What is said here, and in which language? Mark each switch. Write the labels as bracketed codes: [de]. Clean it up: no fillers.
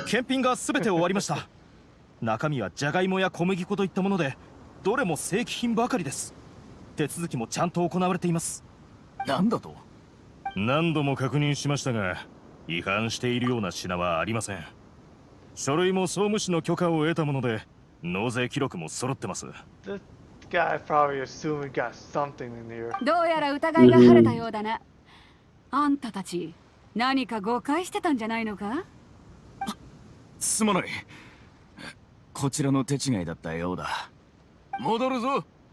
[ja] 検品がすべて終わりました。中身はジャガイモや小麦粉といったもので、どれも正規品ばかりです。手続きもちゃんと行われています。何だと？何度も確認しましたが、違反しているような品はありません。書類も総務省の許可を得たもので、納税記録も揃ってます。 [en] This guy probably assumed we got something in here. [ja] どうやら疑いが晴れたようだな。あんたたち、何か誤解してたんじゃないのか？すまない。こちらの手違いだったようだ。戻るぞ。